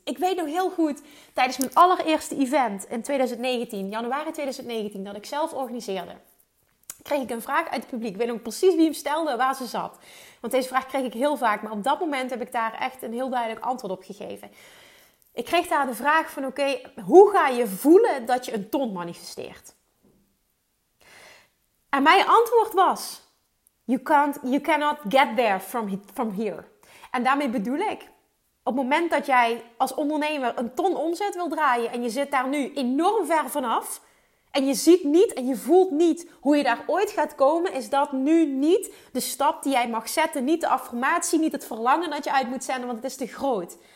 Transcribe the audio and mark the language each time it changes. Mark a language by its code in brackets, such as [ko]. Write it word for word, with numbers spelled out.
[nl] Ik weet nog heel goed tijdens mijn allereerste event in twintig negentien, januari twintig negentien, dat ik zelf organiseerde. Kreeg ik een vraag uit het publiek. Ik weet nog precies wie hem stelde, waar ze zat. Want deze vraag kreeg ik heel vaak. Maar op dat moment heb ik daar echt een heel duidelijk antwoord op gegeven. Ik kreeg daar de vraag van, oké, okay, hoe ga je voelen dat je een ton manifesteert? En mijn antwoord was, [en] you, can't, you cannot get there from, from here. [nl] En daarmee bedoel ik, op het moment dat jij als ondernemer een ton omzet wil draaien en je zit daar nu enorm ver vanaf, en je ziet niet en je voelt niet hoe je daar ooit gaat komen, is dat nu niet de stap die jij mag zetten. Niet de affirmatie, niet het verlangen dat je uit moet zenden, want het is te groot.